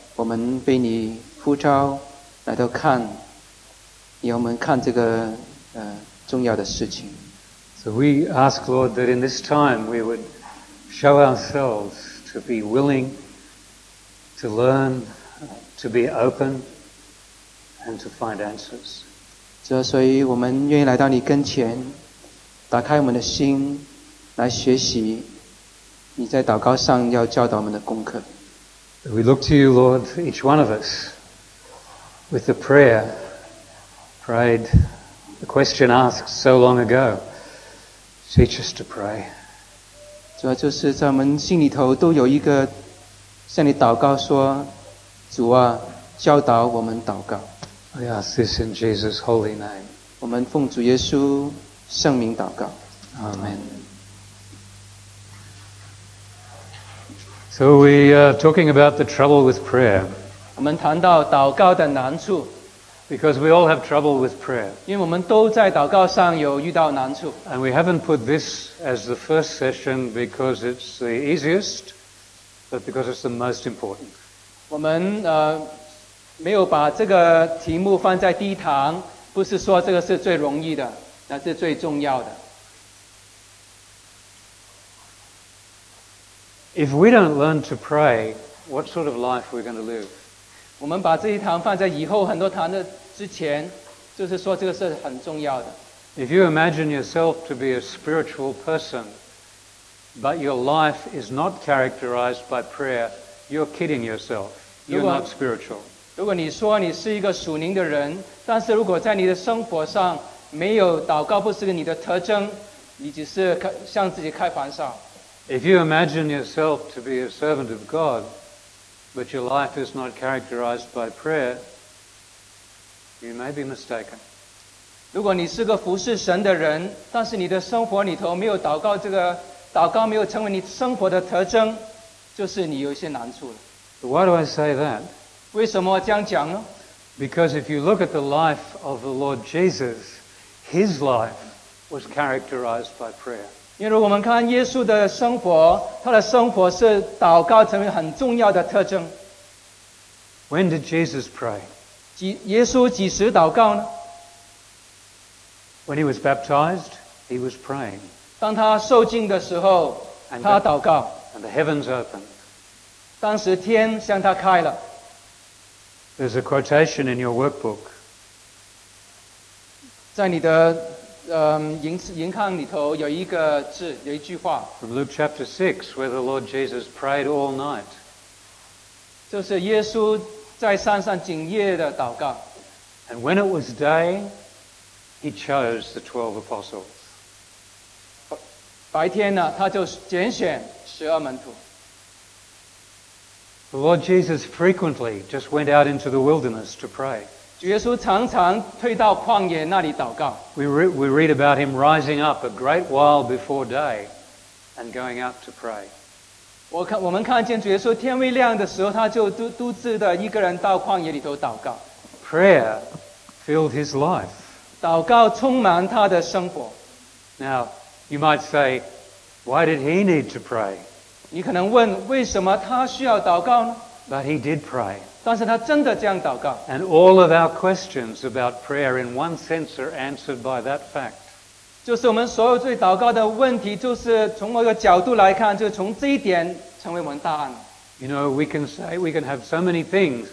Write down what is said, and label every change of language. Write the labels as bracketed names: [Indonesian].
[Chinese] 我们被你呼召来到看，要我们看这个重要的事情。 [English] So we ask, Lord, that in this time we would show ourselves to be willing to learn, to be open, and to find answers. [Chinese] 主，所以我们愿意来到你跟前，打开我们的心，来学习你在祷告上要教导我们的功课。 [English] We look to you, Lord, each one of us, with the prayer prayed, the question asked so long ago. Teach us to pray. [Chinese] 主啊，就是在我们心里头都有一个向你祷告说，主啊，教导我们祷告。 [English] I ask this in Jesus' holy name. [Chinese] 我们奉主耶稣圣名祷告。 [English] Amen. So we are talking about the trouble with prayer. [Chinese] 我们谈到祷告的难处。 [English] Because we all have trouble with prayer. [Chinese] 因为我们都在祷告上有遇到难处。 [English] And we haven't put this as the first session because it's the easiest, but because it's the most important. [Chinese] 我们没有把这个题目放在第一堂，不是说这个是最容易的，那是最重要的。 [English] If we don't learn to pray, what sort of life are we going to live? [Chinese] 我们把这一堂放在以后很多堂的之前，就是说这个是很重要的。 [English] If you imagine yourself to be a spiritual person, but your life is not characterized by prayer, you're kidding yourself. You're not spiritual. [Chinese] 如果你说你是一个属灵的人，但是如果在你的生活上没有祷告，不是你的特征，你只是向自己开玩笑。 [English] If you imagine yourself to be a servant of God,But your life is not characterized by prayer, you may be mistaken. [Chinese] 如果你是个服侍神的人，但是你的生活里头没有祷告，这个祷告没有成为你生活的特征，就是你有一些难处了。 [English] Why do I say that? [Chinese] 为什么我这样讲呢？ [English] Because if you look at the life of the Lord Jesus, his life was characterized by prayer. [Chinese] 因为如果我们看耶稣的生活，他的生活是祷告成为很重要的特征。 [English] When did Jesus pray? [Chinese] 耶稣几时祷告呢？ [English] When he was baptized, he was praying. [Chinese] 当他受浸的时候，他祷告。 [English] And the heavens opened. [Chinese] 当时天向他开了。 [English] There's a quotation in your workbook. [Chinese] 在你的银行里头有一个字，有一句话。 [English] From Luke chapter 6, where the Lord Jesus prayed all night. [Chinese] 就是耶稣在山上整夜的祷告。 [English] And when it was day, he chose the 12 apostles. [Chinese] 白天呢，他就拣选十二门徒。 [English] The Lord Jesus frequently just went out into the wilderness to pray. [Chinese] 主耶稣常常退到旷野那里祷告。 [English] We read about him rising up a great while before day and going out to pray. [Chinese] 我们看见主耶稣天未亮的时候，他就独自的一个人到旷野里头祷告。 [English] Prayer filled his life. [Chinese] 祷告充满他的生活。 [English] Now, you might say, why did he need to pray? [Chinese] 你可能问，为什么他需要祷告呢？ [English] But he did pray. [Chinese] 但是他真的这样祷告。 [English] And all of our questions about prayer in one sense are answered by that fact. [Chinese] 就是我们所有对祷告的问题，就是从某个角度来看，就是从这一点成为我们答案。 [English] You know, we can say, we can have so many things.